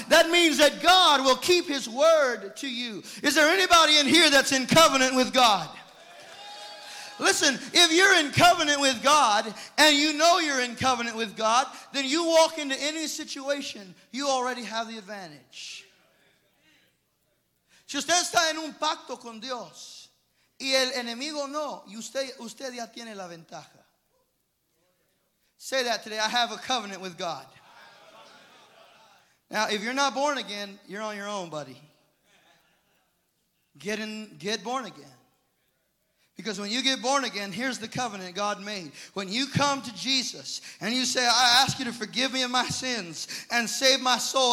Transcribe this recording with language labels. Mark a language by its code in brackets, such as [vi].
[en] That means that God will keep his word to you. Is there anybody in here that's in covenant with God? Listen, if you're in covenant with God, and you know you're in covenant with God, then you walk into any situation, you already have the advantage. [es] Si usted está en un pacto con Dios, y el enemigo no, usted ya tiene la ventaja. [en] Say that today, I have a covenant with God. Now, if you're not born again, you're on your own, buddy. Get born again. Because when you get born again, here's the covenant God made. When you come to Jesus and you say, I ask you to forgive me of my sins and save my soul.